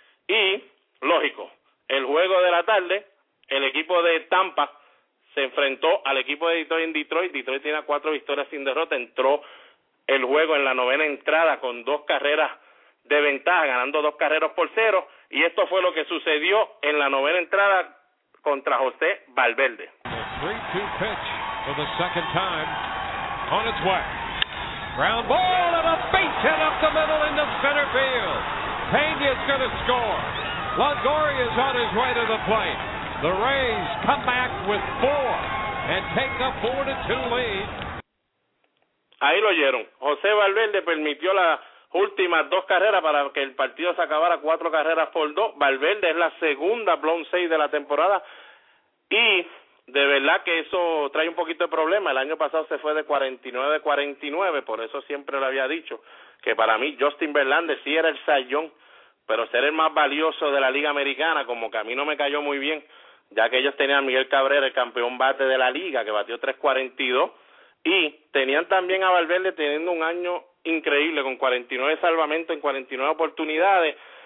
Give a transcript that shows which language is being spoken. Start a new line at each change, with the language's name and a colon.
Spanish: Y, lógico, el juego de la tarde, el equipo de Tampa se enfrentó al equipo de Detroit en Detroit. Detroit tiene 4 victorias sin derrota. Entró el juego en la 9ª entrada con 2 carreras de ventaja, ganando 2-0. Y esto fue lo que sucedió en la 9ª entrada contra José Valverde.
English: 3-2 pitch for the second time on its way. Ground ball and a base hit up the middle into center field. Pena's going to score. Longoria's on his way to the plate. The Rays come back with 4 and take the 4-2 lead.
Spanish: Ahí lo oyeron. José Valverde permitió las últimas 2 carreras para que el partido se acabara 4-2. Valverde es la segunda blown save de la temporada. Y de verdad que eso trae un poquito de problema. El año pasado se fue de 49-49, por eso siempre lo había dicho, que para mí Justin Verlander sí era el sayón, pero ser el más valioso de la Liga Americana, como que a mí no me cayó muy bien, ya que ellos tenían a Miguel Cabrera, el campeón bate de la Liga, que batió 3.42, y tenían también a Valverde teniendo un año increíble, con 49 salvamentos en 49 oportunidades.